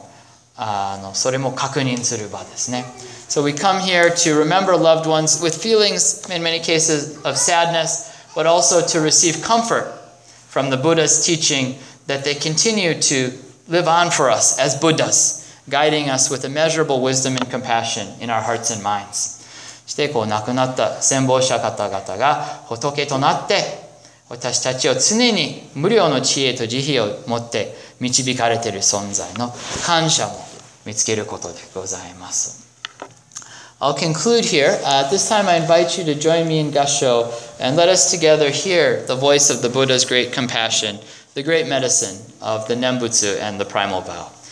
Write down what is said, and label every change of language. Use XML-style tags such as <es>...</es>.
<ja>そして今日は亡くなった方を、忍ぶ法要ですね。正月法要です。それは、まあ、その身内の方々が亡くなった、その別れはまた考えないといけないんですけど、その中に、その方々が阿弥陀如来の浄土に往生して仏となったことも、それも確認する場ですね。</ja> <en>So we come here to remember loved ones with feelings, in many cases, of sadness, but also to receive comfort from the Buddha's teaching that they continue to live on for us as Buddhas, guiding us with immeasurable wisdom and compassion in our hearts and minds.</en> <ja>して、こう亡くなった戦亡者方々が仏となって、私たちを常に無量の知恵と慈悲をもって導かれている存在の感謝も見つけることでございます。</ja> <en>I'll conclude here. At this time, I invite you to join me in Gassho and let us together hear the voice of the Buddha's great compassion, the great medicine of the Nembutsu and the primal vow.</en>